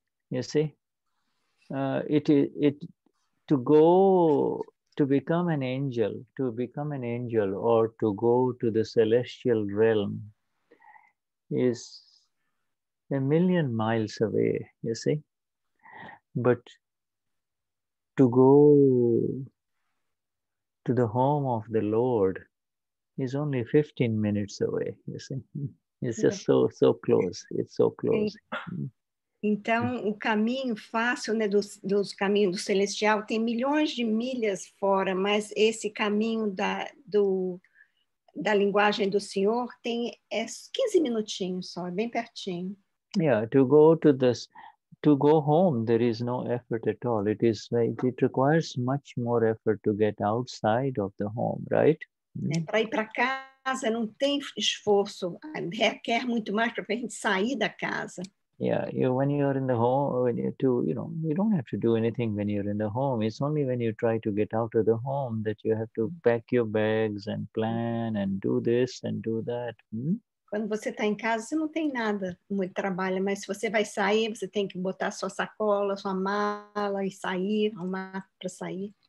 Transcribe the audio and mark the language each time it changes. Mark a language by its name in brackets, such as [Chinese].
[English] You see, it to go to become an angel, or to go to the celestial realm is a million miles away, you see. But to go to the home of the Lord is only 15 minutes away, you see. It's just so close. It's so close. [Portuguese] Então, o caminho fácil, né, dos caminhos do celestial tem milhões de milhas fora, mas esse caminho da linguagem do Senhor tem 15 minutinhos só, bem pertinho. [English] Yeah, to go to this, to go home, there is no effort at all. It is, it requires much more effort to get outside of the home, right? [Portuguese] É, para ir para casa não tem esforço, requer muito mais para a gente sair da casa. [English] Yeah, when you're in the home, you don't have to do anything when you're in the home. It's only when you try to get out of the home that you have to pack your bags and plan and do this and do that. [Portuguese] Quando você está em casa, você não tem nada, muito trabalho. Mas se você vai sair, você tem que botar sua sacola, sua mala e sair, arrumar para sair.